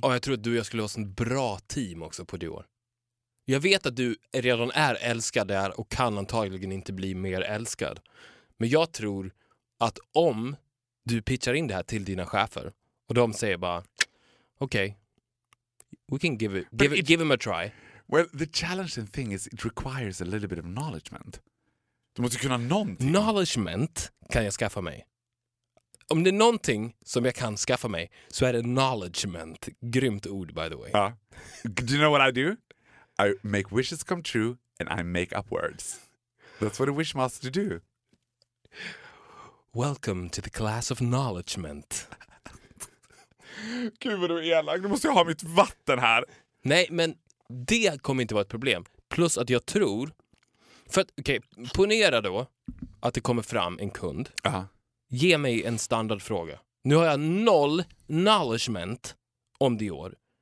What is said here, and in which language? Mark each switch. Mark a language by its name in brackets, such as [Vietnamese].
[Swedish] Och jag tror att du och jag skulle ha en bra team också på Dior. Jag vet att du redan är älskad där och kan antagligen inte bli mer älskad. Men jag tror att om du pitchar in det här till dina chefer och de säger bara okej, [English] okay, we can give him a try. Well, the challenging thing is it requires a little bit of knowledge. [Swedish] Du måste kunna någonting. Knowledge kan jag skaffa mig. Om det är någonting som jag kan skaffa mig så är det knowledge. Grymt ord, [English] by the way. Do you know what I do? I make wishes come true and I make up words. That's what a wish master do. Welcome to the class of knowledge. [Swedish] Gud vad du är elak. Nu måste jag ha mitt vatten här. Nej, men det kommer inte vara ett problem. Plus att jag tror, för att, okej, ponera då att det kommer fram en kund. Uh-huh. Ge mig en standardfråga. Nu har jag noll knowledge om Dior.